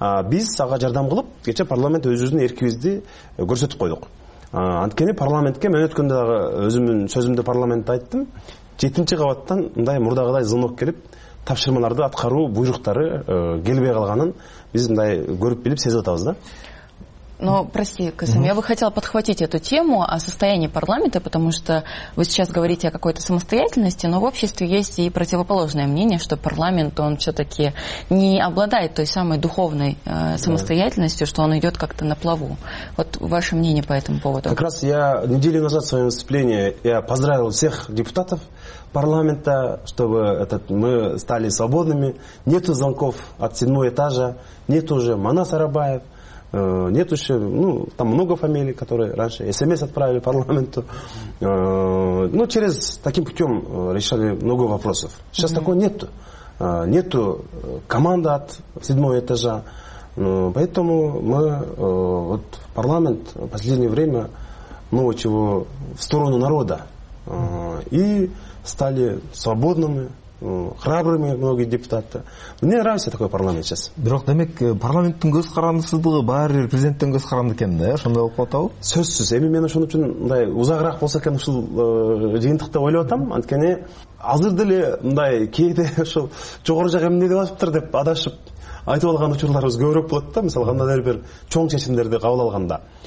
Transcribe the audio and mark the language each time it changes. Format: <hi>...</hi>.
<ky>Биз ага жардам кылып кечээ парламент өзүбүздүн эркибизди көрсөтүп койдук. Анткени парламентке мен өткөндө дагы өзүмдүн сөзүмдү парламентте айттым, 7-нчи кабаттан мындай мурдагыдай звонок келип тапшырмаларды аткаруу буйруктары келбей калганын биз мындай көрүп билип сезип атабыз да.</ky> <ru>Ну, прости, Касым, я бы хотела подхватить эту тему о состоянии парламента, потому что вы сейчас говорите о какой-то самостоятельности, но в обществе есть и противоположное мнение, что парламент, он все-таки не обладает той самой духовной самостоятельностью, что он идет как-то на плаву. Вот ваше мнение по этому поводу. Как раз я неделю назад в своем выступлении я поздравил всех депутатов парламента, чтобы мы стали свободными. Нету звонков от седьмого этажа, нету уже Манас Арабаев, нет еще, ну, там много фамилий, которые раньше СМС отправили парламенту. Ну, через таким путем решали много вопросов. Сейчас такого нету. Нету команды от седьмого этажа. Поэтому мы, вот парламент в последнее время много чего в сторону народа. И стали свободными, храбрыми многие депутаты. Мне нравится такой парламент сейчас.</ru> <ky>Бирок, демек, парламенттин көз карандысыздыгы баары президенттин көз каранды экен да, ошондой болуп калат. Сөзсүз. Эми мен ошон үчүн мындай узагыраак болсо экен ушул жыйынтыкты ойлоп атам. Анткени азыр деле мындай кээде ушул жогору жак эмнеди басыптыр деп адашып айтып алган учурларыбыз көбүрөөк болот да, мисалы кандайдыр бир чоң чечимдерди кабыл алганда.</ky>